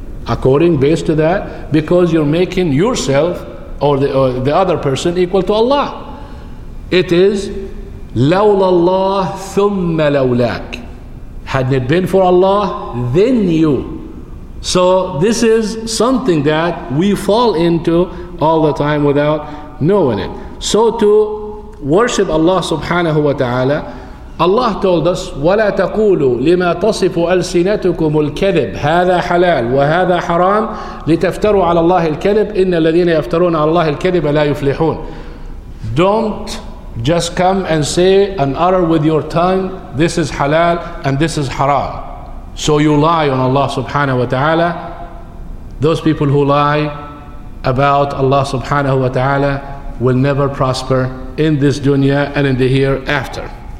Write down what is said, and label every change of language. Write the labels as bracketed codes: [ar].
[en] According, based to that, because you're making yourself or the other person equal to Allah. It is, [ar] lawlallah thumma lawlak. [en] Hadn't it been for Allah, then you. So this is something that we fall into all the time without knowing it. So to worship Allah subhanahu wa ta'ala, Allah told us, [ar] وَلَا تَقُولُوا لِمَا تَصِفُ أَلْسِنَتُكُمُ الْكَذِبُ هَذَا حَلَالٌ وَهَذَا حَرَامٌ لِتَفْتَرُوا عَلَى اللَّهِ الْكَذِبُ إِنَّ الَّذِينَ يَفْتَرُونَ عَلَى اللَّهِ الْكَذِبَ لَا يُفْلِحُونَ. [en] Don't just come and say and utter with your tongue, this is halal and this is haram. So you lie on Allah subhanahu wa ta'ala. Those people who lie about Allah subhanahu wa ta'ala will never prosper in this dunya and in the hereafter.